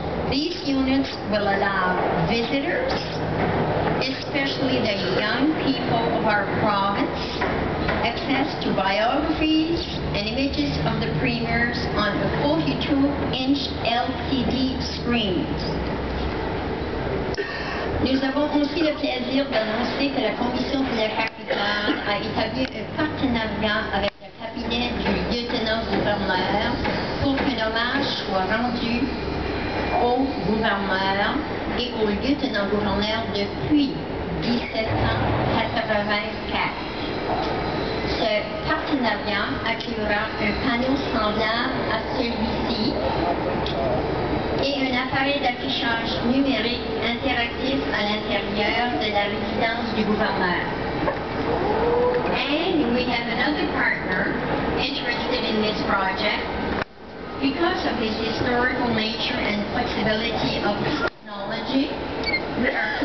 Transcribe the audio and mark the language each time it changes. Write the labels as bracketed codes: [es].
[en] These units will allow visitors, especially the young people of our province, access to biographies and images of the premiers on a 42-inch LCD screen. [fr] Nous avons aussi le plaisir d'annoncer que la Commission de la Capitale a établi un partenariat avec le cabinet du lieutenant-gouverneur pour qu'un hommage soit rendu au gouverneur et au lieutenant-gouverneur depuis 1784. Ce partenariat inclura un panneau semblable à celui-ci et un appareil d'affichage numérique interactif à l'intérieur de la résidence du gouverneur. [en] And we have another partner interested in this project. Because of his historical nature and flexibility of technology, we are